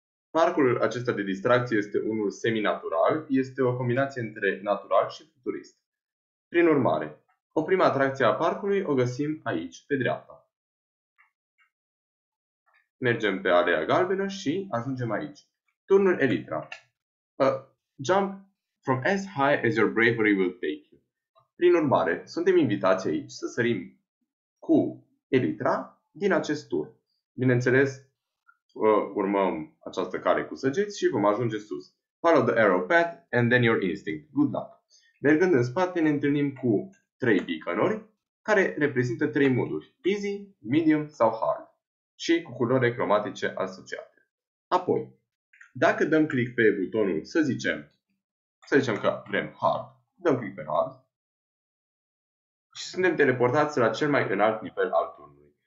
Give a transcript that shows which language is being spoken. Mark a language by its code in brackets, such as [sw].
[ro] Parcul acesta de distracții este unul seminatural. Este o combinație între natural și futurist. Prin urmare, o prima atracție a parcului o găsim aici, pe dreapta. Mergem pe alea galbenă și ajungem aici. Turnul Elytra. [en] Jump from as high as your bravery will take you. [ro] Prin urmare, suntem invitați aici să sărim cu Elytra din acest tur. Bineînțeles, urmăm această cale cu săgeți și vom ajunge sus. [en] Follow the arrow path and then your instinct. Good luck. [ro] Mergând în spate, ne întâlnim cu trei beaconuri care reprezintă trei moduri: easy, medium sau hard și cu culori cromatice asociate. Apoi, dacă dăm click pe butonul, să zicem că vrem hard, dăm click pe hard și suntem teleportați la cel mai înalt nivel al turnului.